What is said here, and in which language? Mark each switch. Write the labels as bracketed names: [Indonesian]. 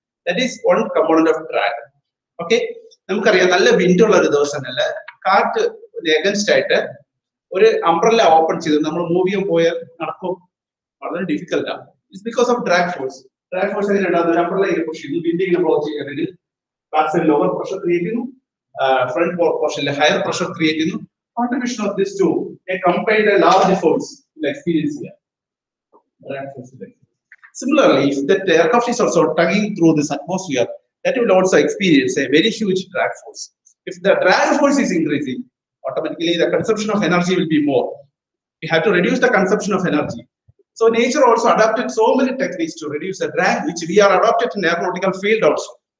[English] That is one component of drag. [Malayalam] Okay, നമുക്കറിയാം നല്ല wind ഉള്ള ഒരു ദിവസം അല്ല കാറ്റ് എഗൻസ്റ്റ് ആയിട്ട് ഒരു അംബ്രല്ല ഓപ്പൺ ചെയ്ത് നമ്മൾ മൂവ് ചെയ്യാൻ പോയാൽ നടക്കും, വളരെ ഡിഫിക്കൽട്ട് ആണ്. [English] It's because of drag force. [Malayalam] Drag force എങ്ങനെയുണ്ടാകുന്നത്, ഒരു അംബ്രല്ല ഇങ്ങനെ പുഷ് ചെയ്തു, വിൻഡ് ഇങ്ങനെ ബ്ലോ ചെയ്യുകയാണെങ്കിൽ ബാക്സിൽ ലോവർ പ്രഷർ ക്രിയേറ്റ് ചെയ്യുന്നു, ഫ്രണ്ട് പോർഷനിൽ ഹയർ പ്രഷർ ക്രിയേറ്റ് ചെയ്യുന്നു. [English] Contribution of this to a combined large force experience ചെയ്യാം. Similarly, if that aircraft is also tugging through this atmosphere, that will also experience a very huge drag force. If the drag force is increasing, automatically the consumption of energy will be more. We have to reduce the consumption of energy. So nature also adapted so many techniques to reduce the drag, which we are adopted in aeronautical field also.